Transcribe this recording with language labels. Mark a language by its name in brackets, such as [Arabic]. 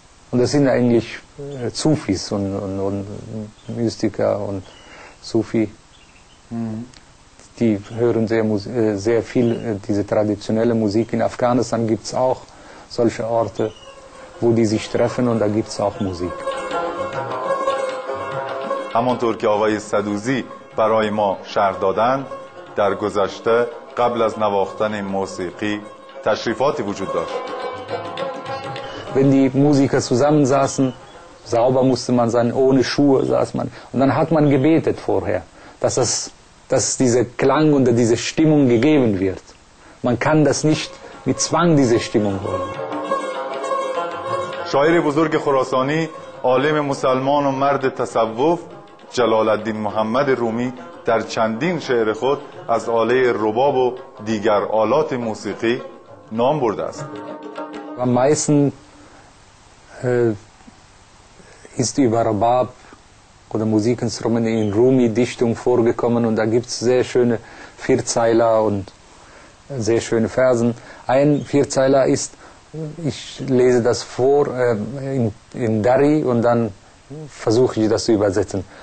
[German] Und das sind eigentlich Sufis und Mystiker und Sufi. Die hören sehr viel diese traditionelle Musik. In Afghanistan gibt es auch solche Orte, wo die sich treffen und da gibt es auch Musik. [Persian] همانطور که آقای صدوزی برای ما شرح دادند، در گذشته قبل از نواختن موسیقی تشریفاتی وجود داشت. [German] Wenn die Musiker zusammensaßen, sauber musste man sein, ohne Schuhe saß man. Und dann hat man gebetet vorher, dass dieser Klang und diese Stimmung gegeben wird. Man kann das nicht mit Zwang, diese Stimmung holen. [Persian] شاعر بزرگ خراسانی، عالم مسلمان و مرد تصوف، جلال الدین محمد رومی در چندین شعر خود از آله رباب و دیگر آلات موسیقی نام برده است. [German] Am meisten ist über Rubab oder Musikinstrumente in Rumi-Dichtung vorgekommen und da gibt es sehr schöne Vierzeiler und sehr schöne Versen. Ein Vierzeiler ist, ich lese das vor in Dari und dann versuche ich das zu übersetzen.